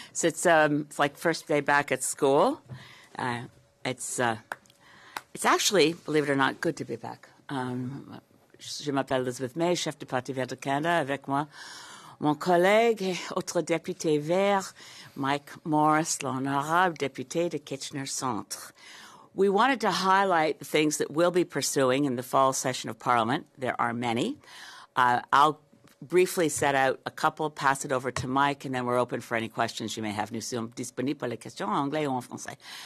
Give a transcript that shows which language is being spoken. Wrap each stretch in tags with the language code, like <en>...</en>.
<en>So it's like first day back at school. It's actually, believe it or not, good to be back.</en> <fr>Je m'appelle Elizabeth May, chef du Parti Vert de Canada. Avec moi, mon collègue et autre député vert, Mike Morrice, l'honorable député de Kitchener Centre.</fr> <en>We wanted to highlight the things that we'll be pursuing in the fall session of Parliament. There are many. I'll briefly set out a couple, pass it over to Mike, and then we're open for any questions you may have.</en> <fr>Nous sommes disponibles pour les questions en anglais ou en français.</fr>